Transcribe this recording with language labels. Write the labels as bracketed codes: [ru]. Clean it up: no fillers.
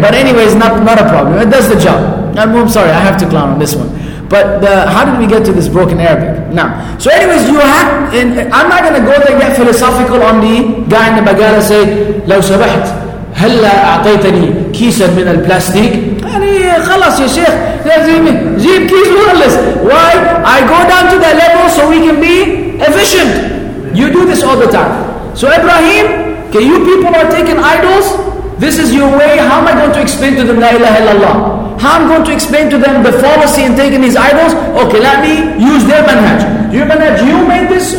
[en] But anyways, not a problem. It does the job. I'm sorry, I have to clown on this one. But how did we get to this broken Arabic? Now, so anyways, you have. And I'm not going to go there and get philosophical on the guy in the bagara say, [ar] لو سمحت هلا أعطيتني كيسا من البلاستيك. خلاص يا شيخ لازم جيب كيس وخلص. [en] Why? I go down to that level so we can be efficient. You do this all the time. So Ibrahim, okay, you people are taking idols. This is your way. How am I going to explain to them la ilaha illallah? How am I going to explain to them the fallacy in taking these idols? Okay, let me use their manhaj. Your manhaj, you made this?